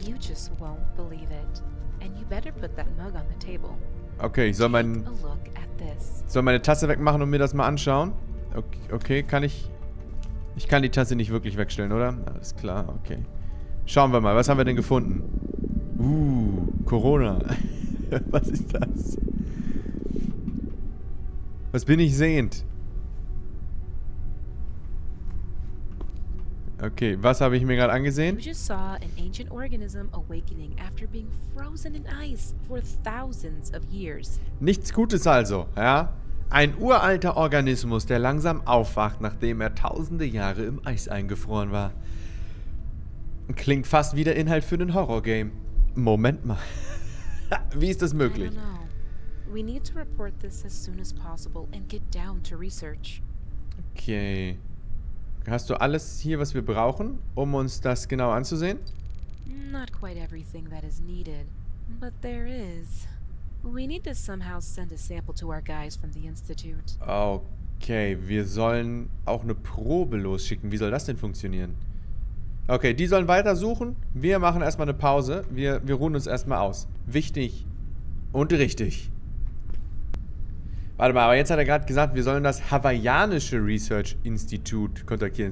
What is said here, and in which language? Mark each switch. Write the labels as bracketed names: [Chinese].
[English] You just won't believe it. And you better put that mug on the table. [German] Okay, ich soll meinen. Soll meine Tasse wegmachen und mir das mal anschauen? Okay, okay, kann ich. Ich kann die Tasse nicht wirklich wegstellen, oder? Alles klar, okay. Schauen wir mal, was haben wir denn gefunden? Corona. Was ist das? Was bin ich sehend? Okay, was habe ich mir gerade angesehen? [English] You just saw an ancient organism awakening after being frozen in ice for thousands of years. [German] Nichts Gutes also, ja? Ein uralter Organismus, der langsam aufwacht, nachdem er tausende Jahre im Eis eingefroren war. Klingt fast wie der Inhalt für ein Horrorgame. Moment mal. Wie ist das möglich? [English] I don't know. We need to report this as soon as possible and get down to research. [German] Okay. Hast du alles hier, was wir brauchen, um uns das genau anzusehen? [English] Not quite everything that is needed, but there is. We need to somehow send a sample to our guys from the institute. [German] Okay, wir sollen auch eine Probe losschicken. Wie soll das denn funktionieren? Okay, die sollen weitersuchen. Wir machen erstmal eine Pause. Wir ruhen uns erstmal aus. Wichtig und richtig. Warte mal, aber jetzt hat er gerade gesagt, wir sollen das hawaiianische Research Institute kontaktieren.